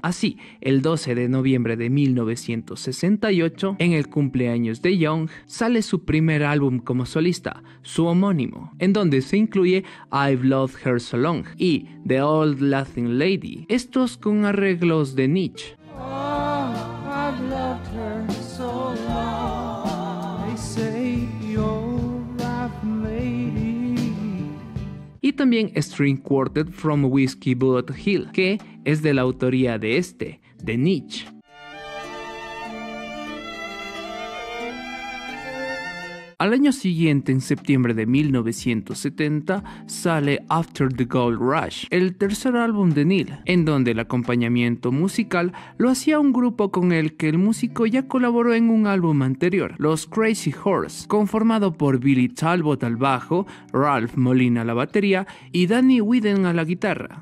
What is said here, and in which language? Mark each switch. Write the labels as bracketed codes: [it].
[es] Así, el 12 de noviembre de 1968, en el cumpleaños de Young, sale su primer álbum como solista, su homónimo, en donde se incluye I've Loved Her So Long y The Old Laughing Lady, estos con arreglos de Nietzsche. [en] Oh, I've loved her so long. They say you're love lady. [es] Y también String Quartet from Whiskey Bullet Hill, que es de la autoría de este, de Nietzsche. Al año siguiente, en septiembre de 1970, sale After the Gold Rush, el tercer álbum de Neil, en donde el acompañamiento musical lo hacía un grupo con el que el músico ya colaboró en un álbum anterior, los Crazy Horse, conformado por Billy Talbot al bajo, Ralph Molina a la batería y Danny Whedon a la guitarra.